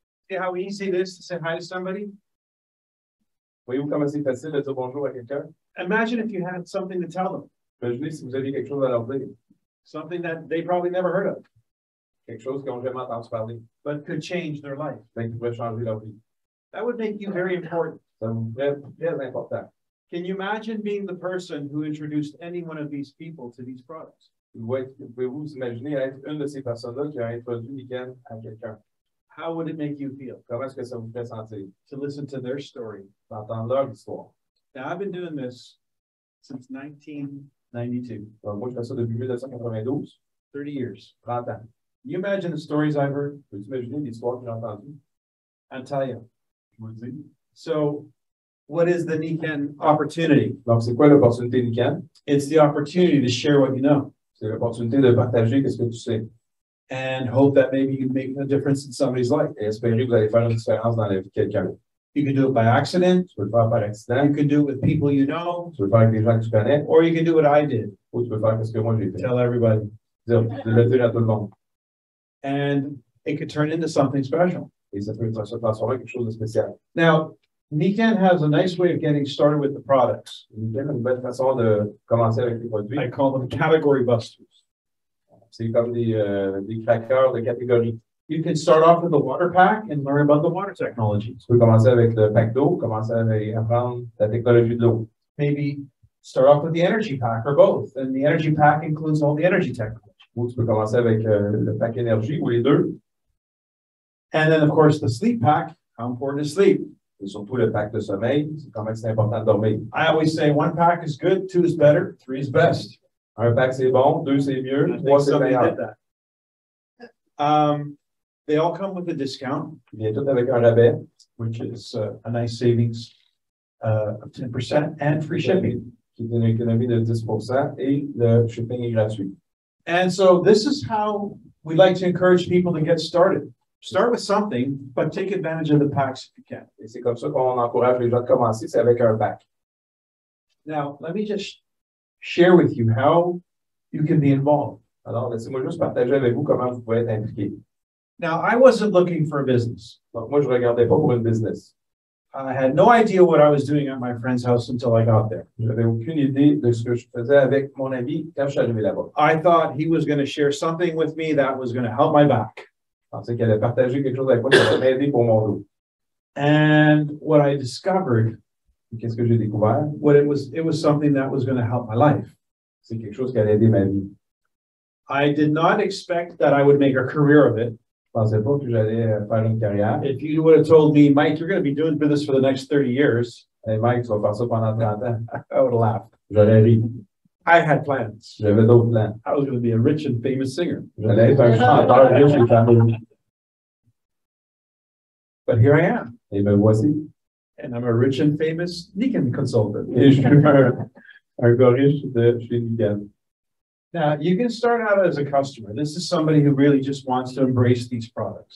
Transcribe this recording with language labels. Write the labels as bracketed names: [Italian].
[English] See how easy it is to say hi to somebody? Imagine if you had something to tell them. Something that they probably never heard of. But could change their life. That would make you very important. Can you imagine being the person who introduced any one of these people to these products? [French] Pouvez-vous imaginer être une de ces personnes-là qui a introduit Niken à quelqu'un? [English] How would it make you feel? [French] Comment est-ce que ça vous fait sentir? [English] To listen to their story. [French] D'entendre leur histoire. [English] Now, I've been doing this since 1992. [French] Moi, je fais ça depuis 1992. [English] 30 years. [French] 30 ans. [English] Can you imagine the stories I've heard? [French] Pouvez-vous imaginer les histoires que j'ai entendues? [English] I'll tell you. [French] Je vous dis. [English] So, what is the Niken opportunity? [French] Donc, c'est quoi l'opportunité Niken? [English] It's the opportunity to share what you know. [French] C'est l'opportunité de partager qu'est-ce que tu sais. [English] And hope that maybe you can make a difference in somebody's life. [French] Et espérer que vous allez faire une différence dans la vie de quelqu'un. [English] You can do it by accident. [French] Tu peux le faire par accident. [English] You can do it with people you know. [French] Tu peux le faire avec des gens que tu connais. [English] Or you can do what I did. [French] Ou tu peux faire ce que moi j'ai fait. [English] Tell everybody. [French] De le dire à tout le monde. [English] And it could turn into something special. [French] Et ça peut se transformer en quelque chose de spécial. [English] Now, Niken has a nice way of getting started with the products. [French] Niken a une belle façon de commencer avec les produits. [English] I call them category busters. [French] C'est comme des craqueurs de catégorie. [English] You can start off with a water pack and learn about the water technology. [French] Tu peux commencer avec le pack d'eau, commencer à apprendre la technologie de l'eau. [English] Maybe start off with the energy pack or both. And the energy pack includes all the energy technology. [French] Ou tu peux commencer avec le pack énergie ou les deux. [English] And then, of course, the sleep pack. How important is sleep? [French] Et surtout le pack de sommeil, c'est quand même que c'est important de dormir. [English] I always say one pack is good, two is better, three is best. [French] Un pack c'est bon, deux c'est mieux, trois c'est meilleur. [English] They all come with a discount. [French] Ils viennent tous avec un rabais. [English] Which is a nice savings of 10% and free shipping. [French] Qui donne une économie de 10% et le shipping est gratuit. [English] And so this is how we like to encourage people to get started. Start with something, but take advantage of the packs if you can. [French] Et c'est comme ça qu'on encourage les gens de commencer, c'est avec un pack. [English] Now, let me just share with you how you can be involved. [French] Alors, laissez-moi juste partager avec vous comment vous pouvez être impliqué. [English] Now, I wasn't looking for a business. [French] Donc, moi, je regardais pas pour une business. [English] I had no idea what I was doing at my friend's house until I got there. [French] J'avais aucune idée de ce que je faisais avec mon ami quand je suis arrivé là-bas. [English] I thought he was going to share something with me that was going to help my back. [French] Je pensais qu'elle allait partager quelque chose avec moi qui allait m'aider pour mon dos. [English] And what I discovered, [French] qu'est-ce que j'ai découvert? [English] What it was something that was going to help my life. [French] C'est quelque chose qui allait aider ma vie. [English] I did not expect that I would make a career of it. [French] pensais pas que j'allais faire une carrière. [English] If you would have told me, Mike, you're going to be doing business for the next 30 years. [French] Hey, Mike, tu vas faire ça pendant 30 ans. [English] I would have laughed. [French] J'aurais ri. [English] I had plans. [French] J'avais d'autres plans. [English] I was going to be a rich and famous singer. [French] J'allais être un chanteur riche et famous. [English] But here I am. [French] Et ben voici. [English] And I'm a rich and famous Nikon consultant. [French] Et je suis un gars riche de chez Nikon. [English] Now, you can start out as a customer. This is somebody who really just wants to embrace these products.